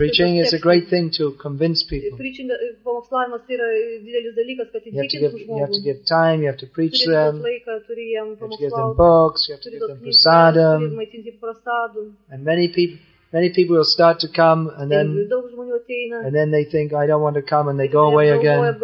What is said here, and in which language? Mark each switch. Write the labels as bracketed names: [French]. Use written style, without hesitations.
[English] Preaching is a great thing to convince people. [Lithuanian] Preaching, pamokslavimas yra didelis dalykas, kad įtikintų žmonės. [English] You have to give time, you have to preach them. [Lithuanian] Laiką, turi jam pamokslauti. [English] You have to give them books, you have to give them prasadam. And many people will start to come and then they think, I don't want to come, and they go away again.